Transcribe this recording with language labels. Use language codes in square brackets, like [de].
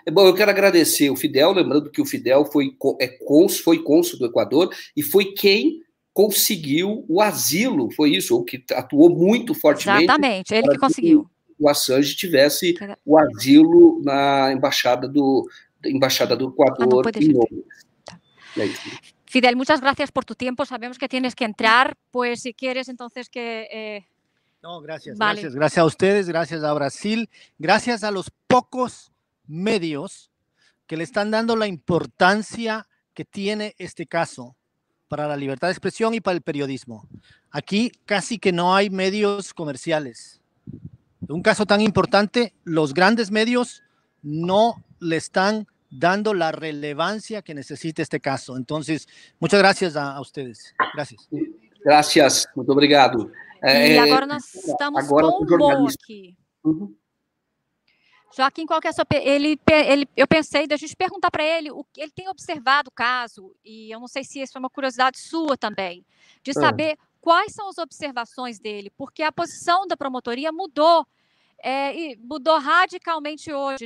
[pt] Bom, eu quero agradecer o Fidel, lembrando que o Fidel foi cônsul do Equador, e foi quem conseguiu o asilo, foi isso, ou que atuou muito fortemente. Exatamente, ele que conseguiu. O Assange tivesse o asilo na embaixada do Equador em Londres. [es] Fidel, muitas gracias por tu tempo. Sabemos que tienes que entrar, pues si quieres entonces que No, gracias, vale. Gracias. Gracias a ustedes, gracias a Brasil, gracias a los pocos medios que le están dando la importancia que tiene este caso para la libertad de expresión y para el periodismo. Aquí casi que no hay medios comerciales. Un caso tan importante, los grandes medios no le están dando la relevancia que necesita este caso. Entonces, muchas gracias a ustedes. Gracias. [pt] Gracias, muito obrigado. E agora nós estamos agora com o Bo aqui. Joaquim, qual que é a sua... Ele, eu pensei da gente perguntar para ele, ele tem observado o caso, e eu não sei se isso é uma curiosidade sua também, de saber quais são as observações dele, porque a posição da promotoria mudou, mudou radicalmente hoje.